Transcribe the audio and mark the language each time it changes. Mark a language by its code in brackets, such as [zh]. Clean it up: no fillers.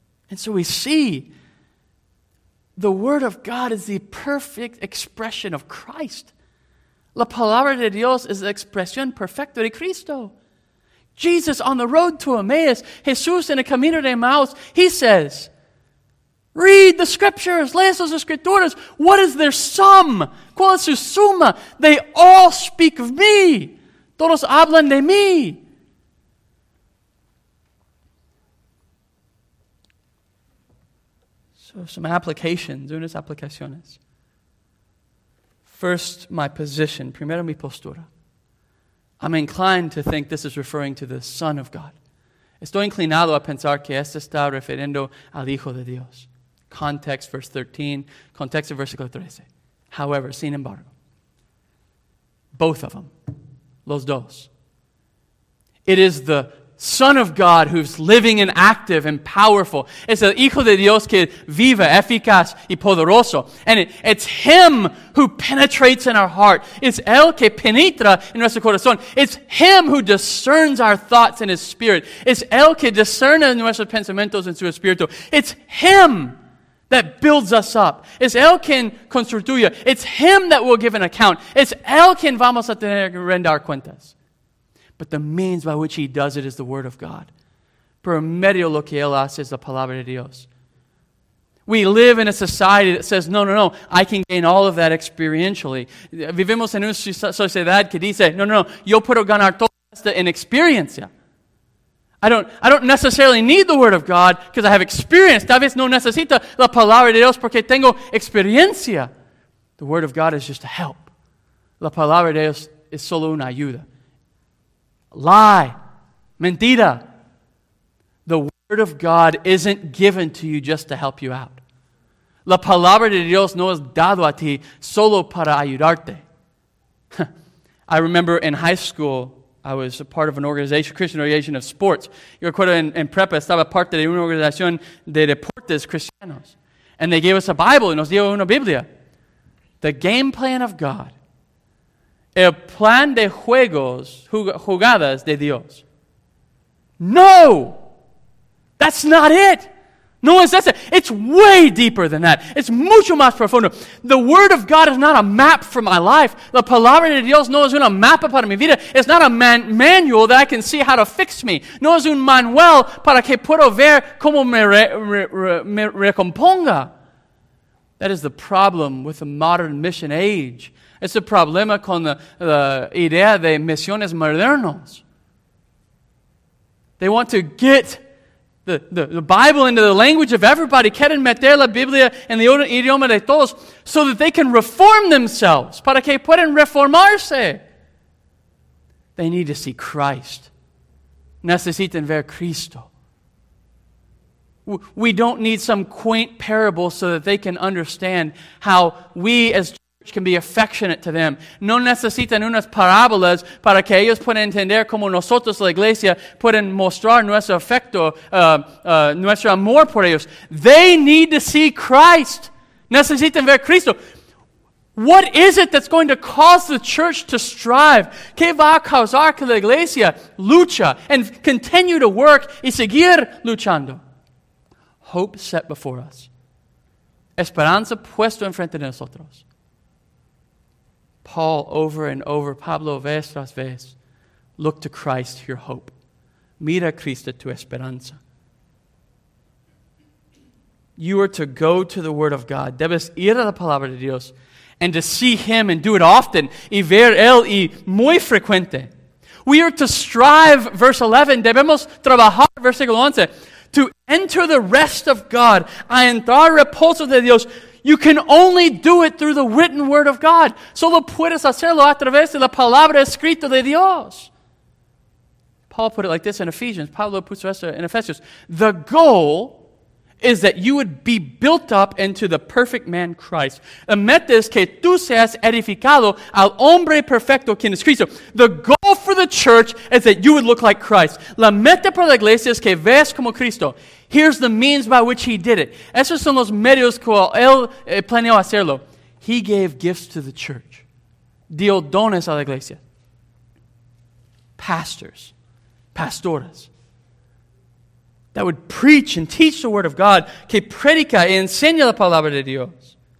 [en] And so we see, the Word of God is the perfect expression of Christ. [es] La palabra de Dios es la expresión perfecta de Cristo. [en] Jesus on the road to Emmaus, [es] Jesús en el camino de Emmaus, [en] He says, read the scriptures, [es] lees las escrituras. [en] What is their sum? [es] ¿Cuál es su suma? [en] They all speak of me. [es] Todos hablan de mí. [en] So some applications, [es] unas aplicaciones. [en] First, my position, [es] primero mi postura. [en] I'm inclined to think this is referring to the Son of God. [es] Estoy inclinado a pensar que esto está refiriendo al Hijo de Dios. [en] Context, verse 13, context of versículo 13. However, [es] sin embargo, [en] both of them, [es] los dos. [en] It is the Son of God who's living and active and powerful. [es] Es el Hijo de Dios que vive, eficaz y poderoso. [en] And it's Him who penetrates in our heart. It's [es] Él que penetra en nuestro corazón. [en] It's Him who discerns our thoughts in His Spirit. [es] It's Él que discerna nuestros pensamientos en su espíritu. [en] It's Him that builds us up. [es] Es Él quien construye. [en] It's Him that will give an account. [es] Es Él quien vamos a tener que rendir cuentas. [en] But the means by which He does it is the Word of God. [es] Por medio lo que Él hace es la palabra de Dios. [en] We live in a society that says, no, no, no, I can gain all of that experientially. [es] Vivimos en una sociedad que dice, no, no, no, yo puedo ganar todo esto en experiencia. [en] I don't necessarily need the Word of God because I have experience. [es] Tal vez no necesito la palabra de Dios porque tengo experiencia. [en] The Word of God is just a help. [es] La palabra de Dios es solo una ayuda. [en] Lie. Mentira. The Word of God isn't given to you just to help you out. [es] La palabra de Dios no es dado a ti solo para ayudarte. [en] I remember in high school, I was a part of an organization, Christian organization of sports. [es] Yo recuerdo en prepa, estaba parte de una organización de deportes cristianos. [en] And they gave us a Bible, [es] y nos dio una Biblia. [en] The game plan of God. [es] El plan de juegos, jugadas de Dios. No! [en] That's not it! No, it's way deeper than that. It's [es] mucho más profundo. [en] The Word of God is not a map for my life. [es] La palabra de Dios no es una mapa para mi vida. [en] It's not a manual that I can see how to fix me. [es] No es un manual para que puedo ver cómo me recomponga. [en] That is the problem with the modern mission age. [es] Es el problema con la idea de misiones modernas. [en] They want to get the Bible into the language of everybody, [es] quieren meter la Biblia en el idioma de todos, [en] so that they can reform themselves, [es] para que puedan reformarse. [en] They need to see Christ. [es] Necesitan ver Cristo. [en] We don't need some quaint parable so that they can understand how we as church can be affectionate to them. [es] No necesitan unas parábolas para que ellos puedan entender cómo nosotros, la iglesia, pueden mostrar nuestro afecto, nuestro amor por ellos. [en] They need to see Christ. [es] Necesitan ver Cristo. [en] What is it that's going to cause the church to strive? [es] ¿Qué va a causar que la iglesia lucha [en] and continue to work [es] y seguir luchando? [en] Hope set before us. [es] Esperanza puesto enfrente de nosotros. [en] Paul over and over, [es] Pablo vez tras vez, [en] look to Christ, your hope. [es] Mira a Cristo, tu esperanza. [en] You are to go to the Word of God. [es] Debes ir a la palabra de Dios [en] and to see Him and do it often. [es] Y ver Él y muy frecuente. [en] We are to strive, verse 11. [es] Debemos trabajar, versículo 11. [en] To enter the rest of God, [es] a entrar reposo de Dios, [en] you can only do it through the written Word of God. [es] Solo puedes hacerlo a través de la palabra escrita de Dios. [en] Paul put it like this in Ephesians. [es] Pablo puso esto [en] in Ephesians. The goal is that you would be built up into the perfect man Christ. [es] La meta es que tú seas edificado al hombre perfecto quien es Cristo. [en] The goal for the church is that you would look like Christ. [es] La meta para la iglesia es que veas como Cristo. [en] Here's the means by which He did it. [es] Esos son los medios que Él planeó hacerlo. [en] He gave gifts to the church. [es] Dio dones a la iglesia. [en] Pastors. Pastoras. That would preach and teach the Word of God. [es] Que predica y enseña la palabra de Dios.